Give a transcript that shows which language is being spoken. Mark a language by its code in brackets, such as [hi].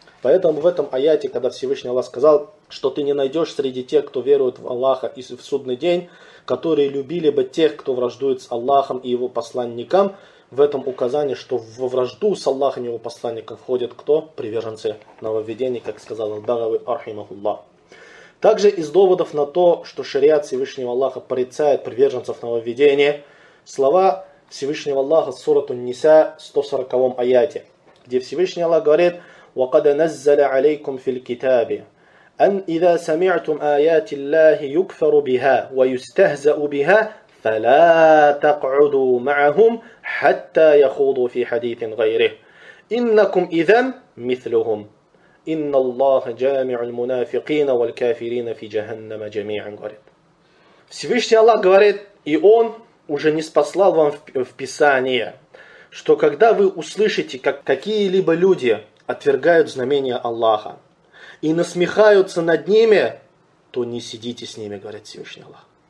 [ru] Поэтому в этом аяте, когда Всевышний Аллах сказал, что ты не найдешь среди тех, кто верует в Аллаха и в судный день, которые любили бы тех, кто враждует с Аллахом и его посланником, в этом указании, что во вражду с Аллахом и его посланником входят кто? Приверженцы нововведений, как сказал Аль-Багави, архимахуллах. Также из доводов на то, что шариат Всевышнего Аллаха порицает приверженцев нововведения, слова Всевышнего Аллаха в сурату Ниса, 140 аяте, где Всевышний Аллах говорит: [ar] وَقَدَ نَزَّلَ عَلَيْكُمْ فِي الْكِتَابِ أَنْ إِذَا سَمِعْتُمْ آيَاتِ اللَّهِ يُكْفَرُ بِهَا وَيُسْتَهْزَأُ بِهَا فَلَا تَقْعُدُوا مَعَهُمْ حَتَّى يَخُوضُوا فِي حَدِيثٍ غَيْرِهِ إِنَّكُمْ إِذًا مِثْلُهُمْ إِنَّ اللَّهَ جَامِعُ الْمُنَافِقِينَ وَالْكَافِرِينَ فِي جَهَنَّمَ جَمِيعًا. [ru] Говорит Всевышний Аллах, говорит, и Он уже не спаслал вам в Писание, что когда вы услышите, как какие-либо люди отвергают знамения Аллаха и насмехаются над ними, то не сидите с ними, говорит Всевышний Аллах.